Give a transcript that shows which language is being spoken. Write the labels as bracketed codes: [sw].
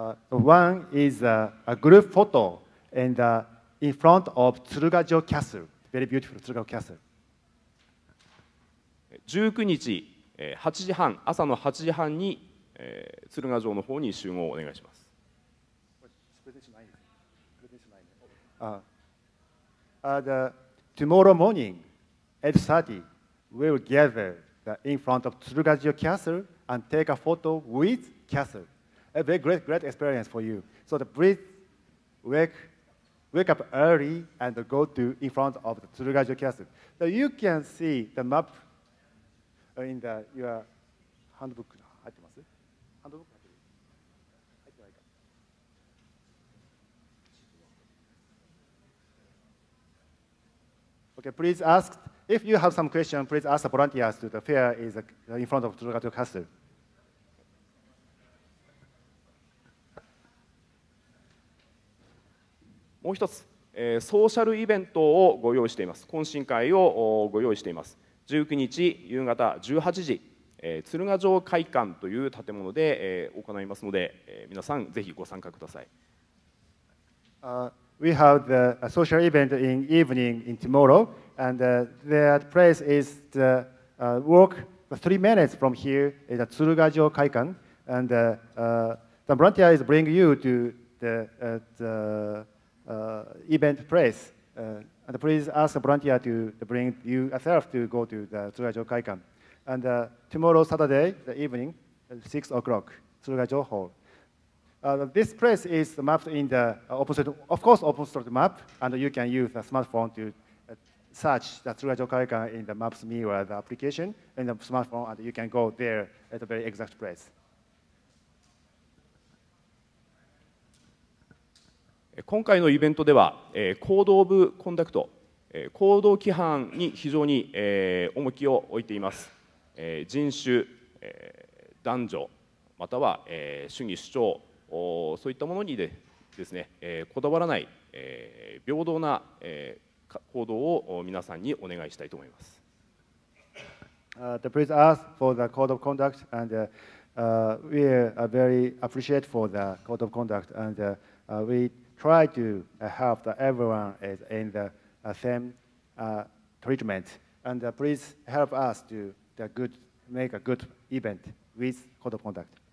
[en] One is a group photo and in front of 鶴ヶ城 castle, very beautiful 鶴ヶ城 castle. [ja] 19日8時半、朝の8時半に鶴ヶ城の方に集合をお願いします。 [en] Tomorrow morning at 30, we will gather in front of 鶴ヶ城 castle and take a photo with castle. A very great, great experience for you. So please wake up early and go to in front of the 鶴ヶ城 castle. So you can see the map in the, your handbook. Handbook? Okay, please ask, if you have some question, please ask the volunteers to the fair is in front of 鶴ヶ城 castle. [ja] もう一つ、ソーシャルイベントをご用意しています。懇親会をご用意しています。19日夕方18時、鶴ヶ城会館という建物で行いますので、皆さんぜひご参加ください。 [en] We have the social event in evening in tomorrow, and the place is the walk 3 minutes from here is the 鶴ヶ城会館, and the volunteer is bring you to the event place, and please ask a volunteer to bring you yourself to go to the 鶴ヶ城会館. And tomorrow, Saturday, the evening, at 6 o'clock, 鶴ヶ城 Hall. This place is mapped in the OpenStreet map, and you can use a smartphone to search the 鶴ヶ城会館 in the MapsMe or the application in the smartphone, and you can go there at the very exact place. [ja] 今回のイベントでは、行動部コンダクト、行動規範に非常に、重きを置いています。人種、男女、または、主義主張、そういったものにですね、こだわらない、平等な、行動を皆さんにお願いしたいと思います。 [en] Please ask for the code of conduct, and we are very appreciate for the code of conduct, and we. Try to help everyone is in the same treatment. And please help us to make a good event with code of conduct.